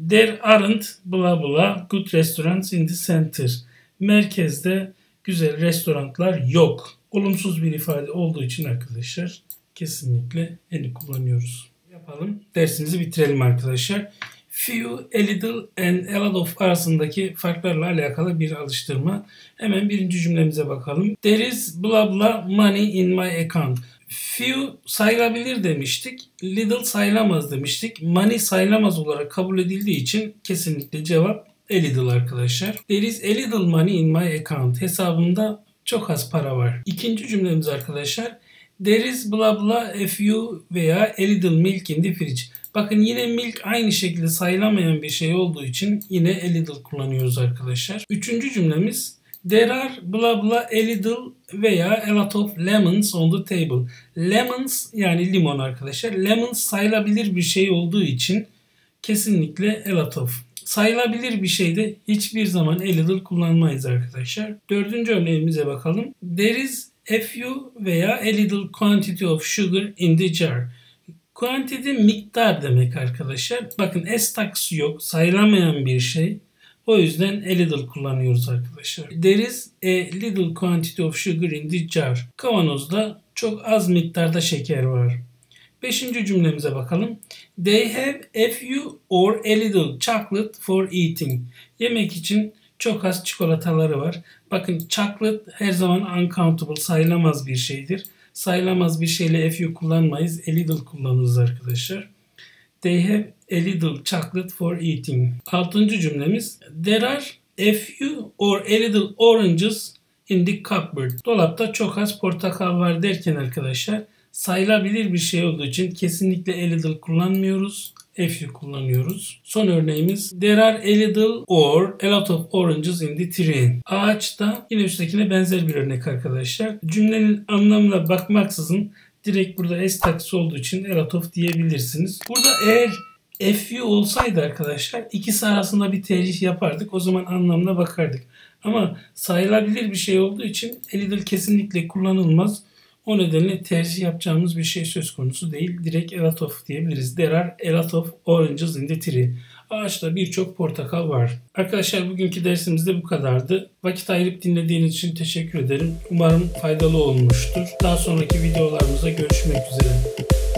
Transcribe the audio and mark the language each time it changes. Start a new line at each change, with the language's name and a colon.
English: There aren't blah blah good restaurants in the center.
Turkish: Merkezde güzel restoranlar yok. Olumsuz bir ifade olduğu için arkadaşlar kesinlikle any kullanıyoruz. Yapalım, dersimizi bitirelim arkadaşlar. Few, a little and a lot of arasındaki farklarla alakalı bir alıştırma. Hemen birinci cümlemize bakalım.
English: There is blah blah money in my account.
Turkish: Few sayılabilir demiştik. Little sayılamaz demiştik. Money sayılamaz olarak kabul edildiği için kesinlikle cevap a little arkadaşlar.
English: There is a little money in my account.
Turkish: Hesabımda çok az para var. İkinci cümlemiz arkadaşlar.
English: There is blah blah a few
Turkish: veya
English: a little milk in the fridge.
Turkish: Bakın, yine milk aynı şekilde sayılamayan bir şey olduğu için yine a little kullanıyoruz arkadaşlar. Üçüncü cümlemiz.
English: There are blah blah a little
Turkish: veya
English: a lot of lemons on the table.
Turkish: Lemons yani limon arkadaşlar. Lemons sayılabilir bir şey olduğu için kesinlikle a lot of. Sayılabilir bir şeyde hiçbir zaman a little kullanmayız arkadaşlar. Dördüncü örneğimize bakalım.
English: There is a few
Turkish: veya
English: a little quantity of sugar in the jar.
Turkish: Quantity miktar demek arkadaşlar. Bakın, s taksi yok. Sayılamayan bir şey. O yüzden a little kullanıyoruz arkadaşlar.
English: There is a little quantity of sugar in the jar.
Turkish: Kavanozda çok az miktarda şeker var. Beşinci cümlemize bakalım.
English: They have a few or a little chocolate for eating.
Turkish: Yemek için çok az çikolataları var. Bakın, chocolate her zaman uncountable, sayılamaz bir şeydir. Sayılamaz bir şeyle a few kullanmayız. A little kullanırız arkadaşlar.
English: They have a little chocolate for eating.
Turkish: Altıncı cümlemiz.
English: There are a few or a little oranges in the cupboard.
Turkish: Dolapta çok az portakal var derken arkadaşlar, sayılabilir bir şey olduğu için kesinlikle a little kullanmıyoruz. A few kullanıyoruz. Son örneğimiz.
English: There are a little or a lot of oranges in the tree.
Turkish: Ağaçta, yine üsttekine benzer bir örnek arkadaşlar. Cümlenin anlamına bakmaksızın direkt burada s taksi olduğu için a lot of diyebilirsiniz. Burada eğer a few olsaydı arkadaşlar, ikisi arasında bir tercih yapardık. O zaman anlamına bakardık. Ama sayılabilir bir şey olduğu için a little kesinlikle kullanılmaz. O nedenle tercih yapacağımız bir şey söz konusu değil. Direkt a lot of diyebiliriz.
English: There are a lot of oranges in the tree.
Turkish: Ağaçta birçok portakal var. Arkadaşlar, bugünkü dersimiz de bu kadardı. Vakit ayırıp dinlediğiniz için teşekkür ederim. Umarım faydalı olmuştur. Daha sonraki videolarımızda görüşmek üzere.